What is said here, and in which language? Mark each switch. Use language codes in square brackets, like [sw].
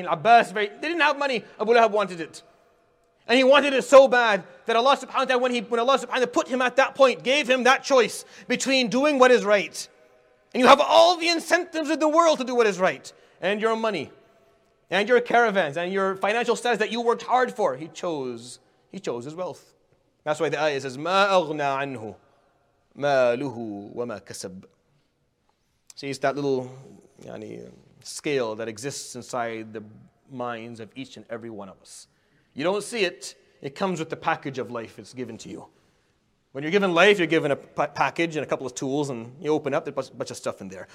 [en] Abbas, they didn't have money. Abu Lahab wanted it. And he wanted it so bad that Allah subhanahu wa ta'ala, when Allah subhanahu wa ta'ala put him at that point, gave him that choice between doing what is right. And you have all the incentives in the world to do what is right. And your money. And your caravans. And your financial status that you worked hard for. He chose his wealth. That's why the ayah says, [ar] مَا أَغْنَى عَنْهُ مَا لُهُ وَمَا كَسَبْ. [en] See, it's that little scale that exists inside the minds of each and every one of us. You don't see it. It comes with the package of life that's given to you. When you're given life, you're given a package and a couple of tools, and you open up, there's a bunch of stuff in there.